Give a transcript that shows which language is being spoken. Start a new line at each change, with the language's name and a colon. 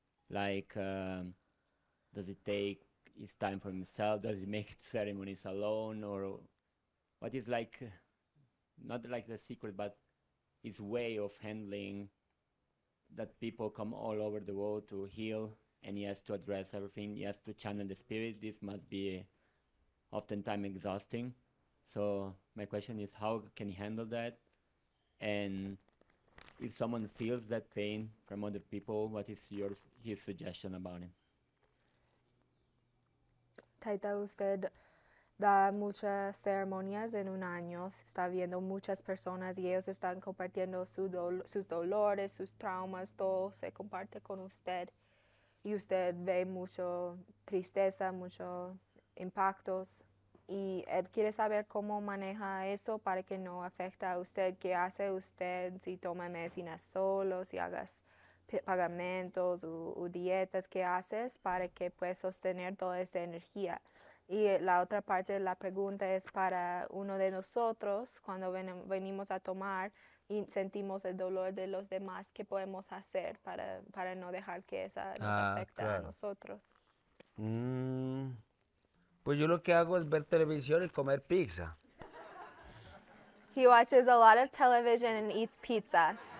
English: Like, does it take it's time for himself, does he make ceremonies alone, or what is like, not like the secret, but his way of handling that people come all over the world to heal, and he has to address everything, he has to channel the spirit, this must be oftentimes exhausting. So my question is, how can he handle that? And if someone feels that pain from other people, what is his suggestion about him?
Spanish: Taita, usted da muchas ceremonias en un año, está viendo muchas personas y ellos están compartiendo sus dolores, sus traumas, todo se comparte con usted. Y usted ve mucho tristeza, muchos impactos. Y él quiere saber cómo maneja eso para que no afecte a usted. ¿Qué hace usted si toma medicina solo, si hagas pagamentos o dietas que haces para que puedas sostener toda esa energía? Y la otra parte de la pregunta es para uno de nosotros, cuando venimos a tomar y sentimos el dolor de los demás, ¿qué podemos hacer para no dejar que esa nos afecte claro. a nosotros? Pues yo lo que hago es ver televisión y comer pizza.
English: He watches a lot of television and eats pizza.